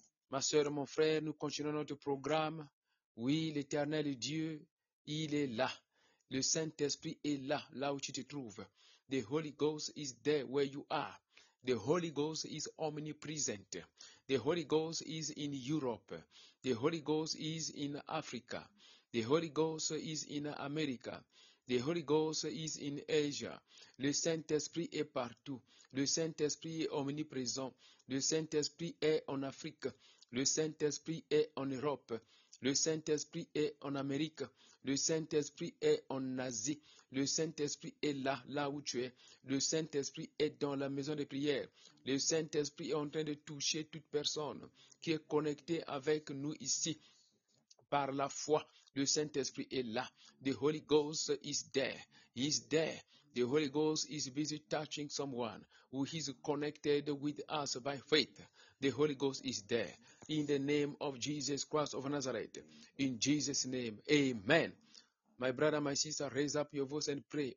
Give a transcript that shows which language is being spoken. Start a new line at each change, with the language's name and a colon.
French: Ma soeur, mon frère, nous continuons notre programme. Oui, l'éternel Dieu, il est là. Le Saint-Esprit est là, là où tu te trouves.
English: The Holy Ghost is there where you are. The Holy Ghost is omnipresent. The Holy Ghost is in Europe. The Holy Ghost is in Africa. The Holy Ghost is in America. The Holy Ghost is in Asia.
French: Le Saint-Esprit est partout. Le Saint-Esprit est omniprésent. Le Saint-Esprit est en Afrique. Le Saint-Esprit est en Europe. Le Saint-Esprit est en Amérique. Le Saint-Esprit est en Asie. Le Saint-Esprit est là, là où tu es. Le Saint-Esprit est dans la maison de prière. Le Saint-Esprit est en train de toucher toute personne qui est connectée avec nous ici. Par la foi, le Saint-Esprit est là.
English: The Holy Ghost is there. He is there. The Holy Ghost is busy touching someone who is connected with us by faith. The Holy Ghost is there. In the name of Jesus Christ of Nazareth. In Jesus' name. Amen. My brother, my sister, raise up your voice and pray.